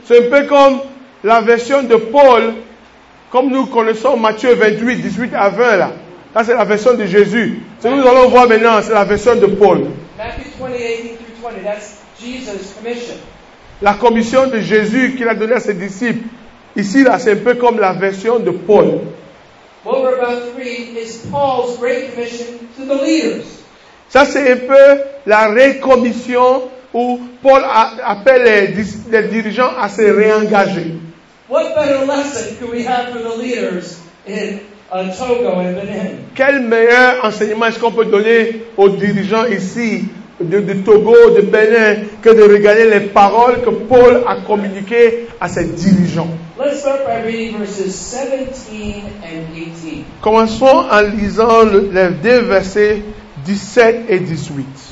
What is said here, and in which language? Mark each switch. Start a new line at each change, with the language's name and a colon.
French: C'est un peu comme la version de Paul, comme nous connaissons Matthieu 28:18-20 là. Là, c'est la version de Jésus. Ce que nous allons voir maintenant, c'est la version de Paul.
English: Matthew 28:18-20. That's Jesus' commission.
French: La commission de Jésus qu'il a donnée à ses disciples. Ici là, c'est un peu comme la version de Paul.
English: What we're about to read is Paul's great commission to the leaders.
French: Ça, c'est un peu la récommission où Paul appelle les dirigeants à se réengager.
English: What better lesson could we have for the leaders in Togo and Benin?
French: Quel meilleur enseignement est-ce qu'on peut donner aux dirigeants ici de Togo, de Benin, que de regarder les paroles que Paul a communiquées à ses dirigeants?
English: Let's start by reading verses 17-18.
French: Commençons en lisant les deux versets 17 et 18.